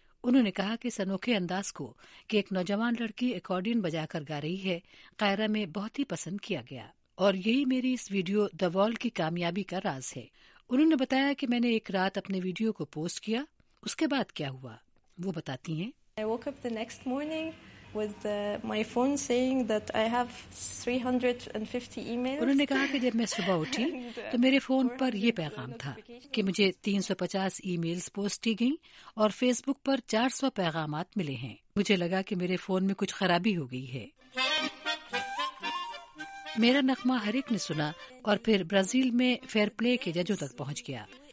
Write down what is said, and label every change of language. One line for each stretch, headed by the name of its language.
Urdu: انہوں نے کہا کہ اس انوکھے انداز کو کہ ایک نوجوان لڑکی اکارڈین بجا کر گا رہی ہے قاہرہ میں بہت ہی پسند کیا گیا اور یہی میری اس ویڈیو دا وال کی کامیابی کا راز ہے. انہوں نے بتایا کہ میں نے ایک رات اپنے ویڈیو کو پوسٹ کیا, اس کے بعد کیا ہوا وہ بتاتی ہیں.
English: I woke up the next morning with my phone saying that I have 350 emails.
Urdu: انہوں نے کہا کہ جب میں صبح اٹھی تو میرے فون پر یہ پیغام تھا کہ مجھے 350 ای میلز پوسٹ کی گئیں اور فیس بک پر 400 پیغامات ملے ہیں. مجھے لگا کہ میرے فون میں کچھ خرابی ہو گئی ہے. میرا نغمہ ہر ایک نے سنا اور پھر برازیل میں فیئر پلے کے ججوں تک پہنچ گیا.